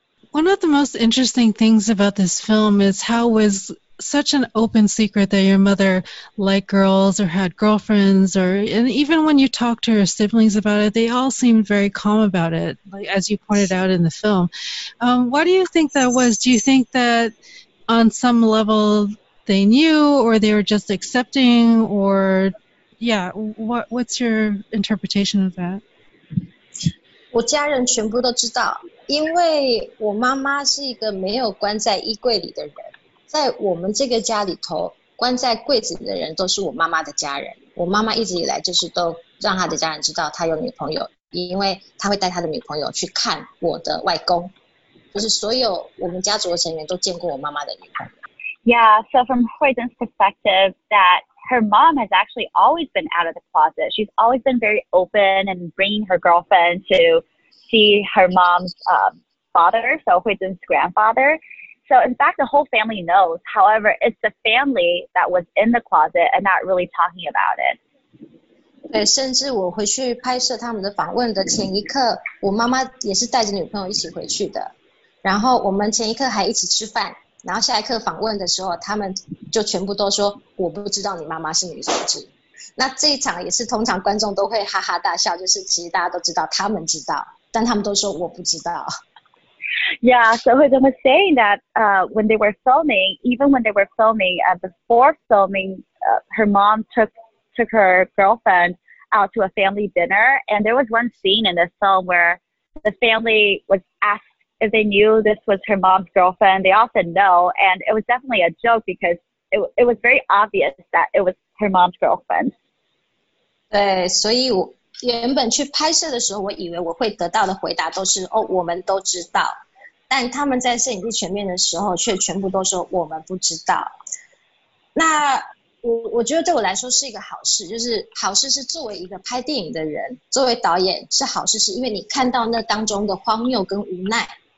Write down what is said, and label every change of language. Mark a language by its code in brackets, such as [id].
[en] One of the most interesting things about this film is how it was such an open secret that your mother liked girls or had girlfriends, and even when you talked to her siblings about it, they all seemed very calm about it, like, as you pointed out in the film. Why do you think that was? Do you think that on some level... they knew, or they were just accepting, or, yeah, what's your interpretation of that? [zh] 我家人全部都知道，因为我妈妈是一个没有关在衣柜里的人，在我们这个家里头，关在柜子里的人都是我妈妈的家人。我妈妈一直以来就是都让她的家人知道她有女朋友，因为她会带她的女朋友去看我的外公，就是所有我们家族的成员都见过我妈妈的女朋友。 [en] Yeah, so from Hoijin's perspective, that her mom has actually always been out of the closet. She's always been very open and bringing her girlfriend to see her mom's father, so Hoijin's grandfather. So in fact, the whole family knows. However, it's the family that was in the closet and not really talking about it. [zh] 对，甚至我回去拍摄他们的访问的前一刻，我妈妈也是带着女朋友一起回去的。然后我们前一刻还一起吃饭。然后下一刻访问的时候，他们就全部都说我不知道你妈妈是女同志。那这一场也是通常观众都会哈哈大笑，就是其实大家都知道，他们知道，但他们都说我不知道。 [en] Yeah, so Hoijin was saying that when they were filming, even when they were filming, before filming, her mom took her girlfriend out to a family dinner, and there was one scene in the film where the family was askedIf they knew this was her mom's girlfriend, they often know. And it was definitely a joke because it was very obvious that it was her mom's girlfriend. [zh] 对，所以我原本去拍摄的时候，我以为我会得到的回答都是哦，我们都知道。但他们在摄影机前面的时候，却全部都说我们不知道。那我觉得对我来说是一个好事，就是好事是作为一个拍电影的人，作为导演是好事，是因为你看到那当中的荒谬跟无奈。